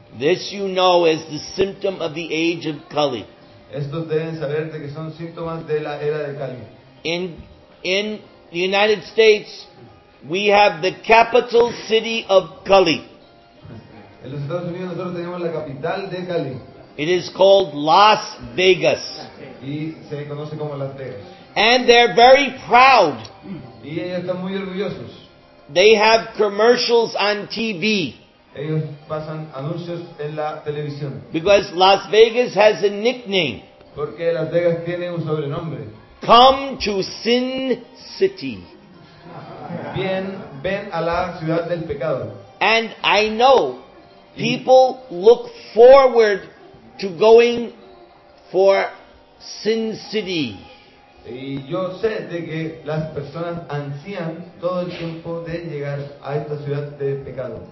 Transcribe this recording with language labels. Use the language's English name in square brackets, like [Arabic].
[English] This, you know, is the symptom of the age of Kali. [Spanish] Estos deben saber de que son síntomas de la era de Kali. [English] In the United States, we have the capital city of Kali. [Spanish] En los Estados Unidos, nosotros tenemos la capital de Kali. [English] It is called Las Vegas. [Spanish] Y se conoce como Las Vegas. [English] And they're very proud. [Spanish] Y ellos están muy orgullosos. [English] They have commercials on TV. [Spanish] Ellos pasan anuncios en la televisión. [English] Because Las Vegas has a nickname. [Spanish] Porque Las Vegas tiene un sobrenombre. [English] Come to Sin City. [Spanish] Bien, ven a la ciudad del pecado. [English] And I know people look forward to going for Sin City. [Spanish] Y yo sé de que las personas ansían todo el tiempo de llegar a esta ciudad de pecado.